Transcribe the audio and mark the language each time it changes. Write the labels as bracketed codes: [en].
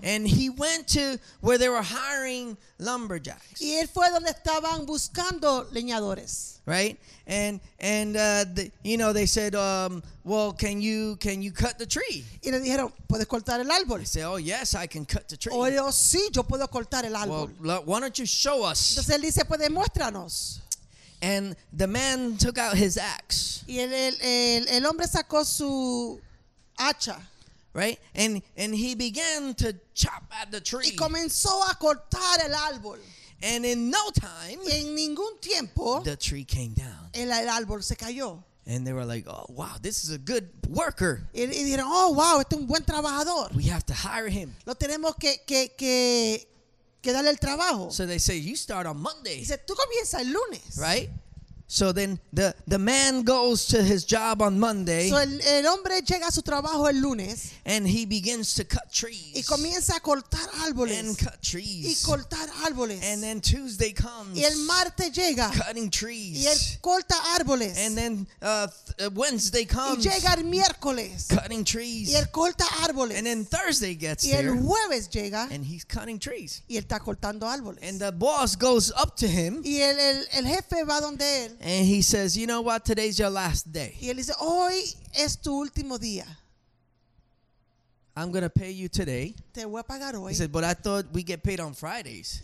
[en] And he went to where they were hiring lumberjacks. [es] Y él fue donde estaban buscando leñadores. [en] Right? They said, can you cut the tree? [es] Y le dijeron, ¿puedes cortar el árbol? [en] He said, oh, yes, I can cut the tree. [es] Oh, yo, sí, yo puedo cortar el árbol. [en] Well, why don't you show us? [es] Entonces él dice, pues muéstranos. [en] And the man took out his axe. [es] Y el hombre sacó su hacha. [en] Right? And he began to chop at the tree. [es] Y comenzó a cortar el árbol. [en] And in no time, [es] en ningún tiempo, [en] the tree came down. [es] El árbol se cayó. [en] And they were like, oh, wow, this is a good worker. [es] Y dijeron, oh, wow, este es un buen trabajador. [en] We have to hire him. [es] Lo tenemos que darle el trabajo. [en] So they say, you start on Monday. [es] Dice, tú comienzas el lunes. [en] Right? So then the man goes to his job on Monday. [es] So el hombre llega a su trabajo el lunes. [en] And he begins to cut trees. [es] Y comienza a cortar árboles. [en] And cut trees. [es] Y cortar árboles. [en] And then Tuesday comes. [es] Y el martes llega. [en] Cutting trees. [es] Y él corta árboles. [en] And then Wednesday comes. [es] Y llega el miércoles. [en] Cutting trees. [es] Y él corta árboles. [en] And then Thursday gets [es] y el jueves llega. [en] And he's cutting trees. [es] Y él está cortando árboles. [en] And the boss goes up to him. [es] Y el jefe va donde él. [en] And he says, you know what? Today's your last day. [es] Y él dice, hoy es tu último día. [en] I'm going to pay you today. [es] Te voy a pagar hoy. [en] He said, but I thought we get paid on Fridays.